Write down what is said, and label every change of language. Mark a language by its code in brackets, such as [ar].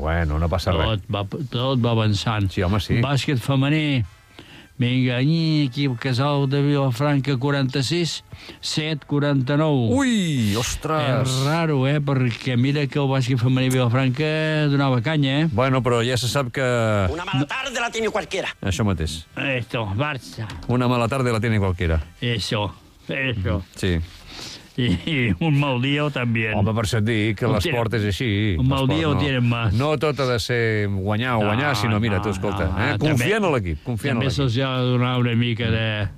[ca] Bueno, no passa res. Tot va avançant. Sí, home, sí. Bàsquet femení. Vinga, aquí el Casal de Vilafranca 46, 7-49. Ui, ostres! És raro, eh? Perquè mira que el bàsquet femení Vilafranca donava canya, eh? Bueno, però ja se sap que... [es] Una mala tarde la tiene cualquiera. [ca] Això mateix. [es] Esto, Barça. Una mala tarde la tiene cualquiera. Eso. [ca] Sí. I un mal dia també. Home, per això et dic que l'esport és així. Un mal dia ho tenen més. No tot ha de ser guanyar o guanyar, sinó, mira, tu, escolta, confia en l'equip. També se'ls ha de donar una mica de...